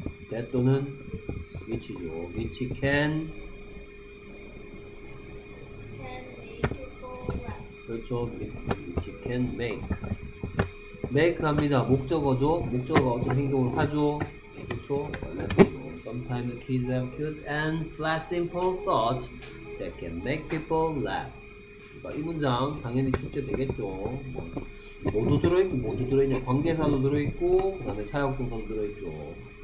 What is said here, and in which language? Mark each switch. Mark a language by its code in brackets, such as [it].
[en] that 또는 which죠. which can make people laugh. [ko] 그렇죠. [en] which can make 합니다. 목적어죠. [ko] 목적어가 어떤 행동을 하죠. 그렇죠. [en] sometimes kids have cute and flat simple thoughts that can make people laugh. [ko] 이 문장 당연히 출제 되겠죠. 모두 들어있고 모두 들어있냐 관계사도 들어있고 그 다음에 사역동사도 들어있죠.